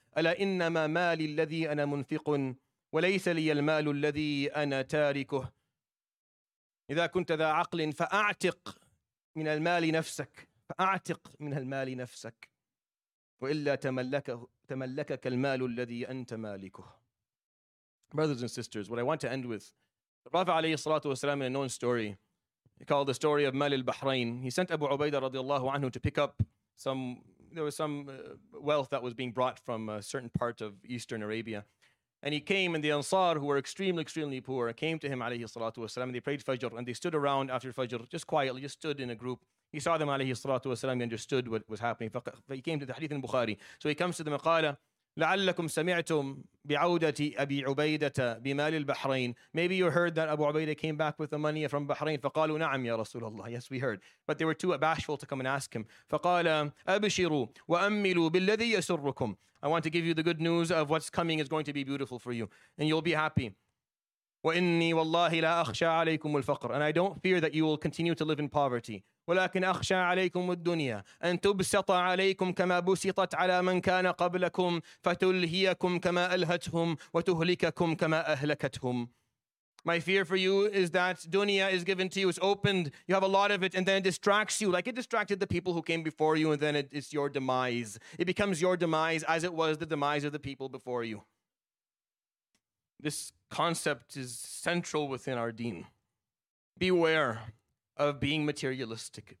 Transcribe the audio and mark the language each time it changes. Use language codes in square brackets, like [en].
[ar] ألا إنما مالي الذي أنا منفق، وليس لي المال الذي أنا تاركه. إذا كنت ذا عقل فأعتق من المال نفسك، فأعتق من المال نفسك، وإلا تملكك المال الذي أنت مالكه. [en] Brothers and sisters, what I want to end with, Rafa alayhi salatu wasalam, in a known story called the story of Mal al-Bahrain, he sent Abu Ubaidah radiallahu anhu to pick up some wealth that was being brought from a certain part of Eastern Arabia. And he came, and the Ansar, who were extremely, extremely poor, came to him alayhi salatu wasalam, and they prayed Fajr, and they stood around after Fajr, just quietly, just stood in a group. He saw them alayhi salatu wasalam, he understood what was happening. He came to the hadith in Bukhari. So he comes to the maqala, [ar] لعلكم سمعتم بعودة أبي عبيدة بمال البحرين. [en] Maybe you heard that Abu Ubaidah came back with the money from Bahrain. [ar] فقالوا نعم يا رسول الله. [en] Yes, we heard. But they were too bashful to come and ask him. [ar] فقال أبشروا وأملوا بالذي يسركم. [en] I want to give you the good news of what's coming is going to be beautiful for you, and you'll be happy. [ar] وإني والله لا أخشى عليكم الفقر. [en] And I don't fear that you will continue to live in poverty. [ar] ولكن أخشى عليكم الدنيا أن تبسط عليكم كما بسطت على من كان قبلكم فتلهيكم كما ألهتهم وتهلككم كما أهلكتهم. [en] My fear for you is that dunya is given to you, it's opened, you have a lot of it, and then it distracts you, like it distracted the people who came before you, and then it's your demise. It becomes your demise as it was the demise of the people before you. This concept is central within our deen. Beware of being materialistic.